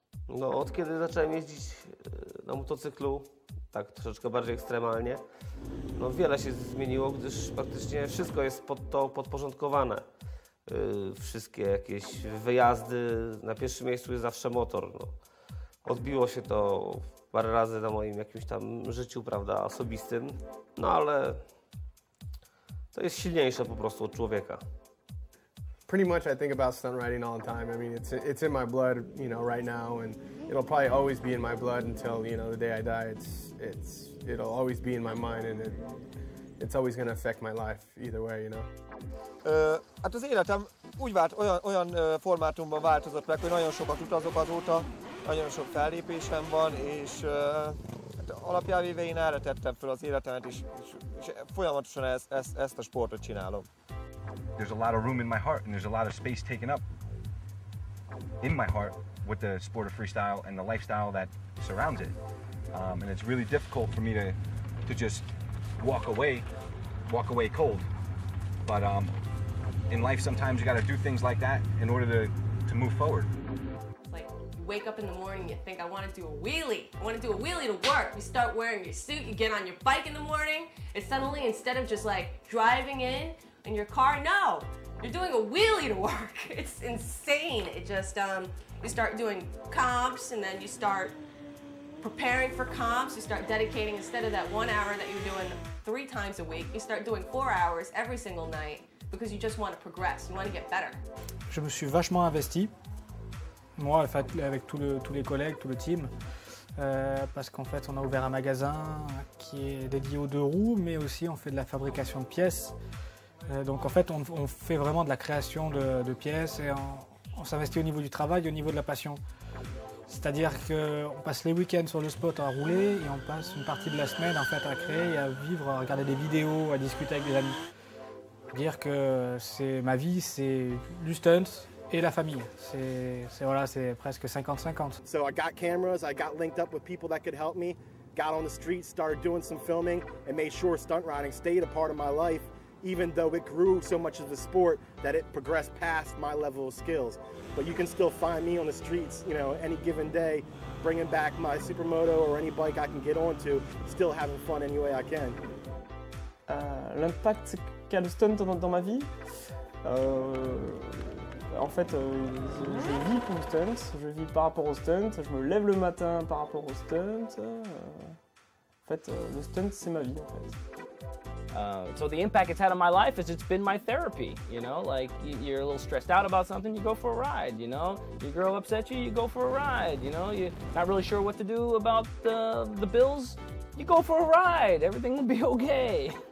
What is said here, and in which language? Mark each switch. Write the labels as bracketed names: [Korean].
[Polish] No, od kiedy zacząłem jeździć na motocyklu, tak troszeczkę bardziej ekstremalnie, no wiele się zmieniło, gdyż praktycznie wszystko jest pod to podporządkowane. Wszystkie jakieś wyjazdy, na pierwszym miejscu jest zawsze motor. No. Odbiło się to parę razy na moim jakimś tam życiu, prawda, osobistym, no ale to jest silniejsze po prostu od człowieka. [English] Pretty much I think about stunt riding all the time. I mean, it's in my blood, you know, right now, and it'll probably always be in my blood until, you know, the day I die. It'll always be in my mind, and it's always going to affect my life either way, you know. [Hungarian] Hát az életem úgy vált, olyan formátumban változott meg, hogy nagyon sokat utazok azóta, nagyon sok fellépésem van, és alapjávéve én erre tettem fel az életemet, és folyamatosan ezt a sportot csinálom. [English] There's a lot of room in my heart, and there's a lot of space taken up in my heart with the sport of freestyle and the lifestyle that surrounds it. And it's really difficult for me to just walk away cold. But in life, sometimes you got to do things like that in order to move forward. It's like you wake up in the morning, you think, I want to do a wheelie. I want to do a wheelie to work. You start wearing your suit, you get on your bike in the morning, and suddenly, instead of just like driving in your car, no, you're doing a wheelie to work. It's insane. It just, you start doing comps and then you start preparing for comps. You start dedicating, instead of that 1 hour that you're doing three times a week, you start doing 4 hours every single night because you just want to progress. You want to get better. [French] Je me suis vachement investi, moi, en fait, avec tous les collègues, tout le team. Parce qu'en fait, on a ouvert un magasin qui est dédié aux deux roues, mais aussi on fait de la fabrication de pièces. Donc en fait, on fait vraiment de la création de pièces et on s'investit au niveau du travail, au niveau de la passion. C'est-à-dire qu'on passe les week-ends sur le spot à rouler et on passe une partie de la semaine en fait à créer, à vivre, à regarder des vidéos, à discuter avec des amis. Dire que c'est ma vie, c'est du stunt et la famille. C'est presque 50-50. [English] So I got cameras, I got linked up with people that could help me, got on the street, started doing some filming and made sure stunt riding stayed a part of my life. Even though it grew so much of the sport that it progressed past my level of skills. But you can still find me on the streets, you know, any given day, bringing back my supermoto or any bike I can get onto, still having fun any way I can. [French] L'impact qu'a le stunt dans ma vie, en fait, je vis pour le stunt, je vis par rapport au stunt, je me lève le matin par rapport au stunt. En fait, le stunt, c'est ma vie, en fait. [English] So the impact it's had on my life is it's been my therapy, you know, like you're a little stressed out about something, you go for a ride, you know, your girl upsets you, you go for a ride, you know, you're not really sure what to do about the bills, you go for a ride, everything will be okay.